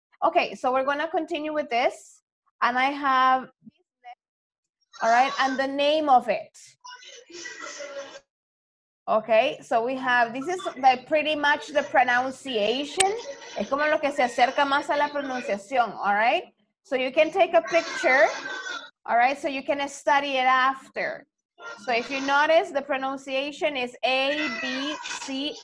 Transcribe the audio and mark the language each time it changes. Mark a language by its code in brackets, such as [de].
[en] Okay, so we're going to continue with this. And I have, all right, and the name of it. Okay, so we have, this is like pretty much the pronunciation. [es] Es como lo que se acerca más a la pronunciación, [en] all right? So you can take a picture, all right? So you can study it after. So if you notice, the pronunciation is A, B, C.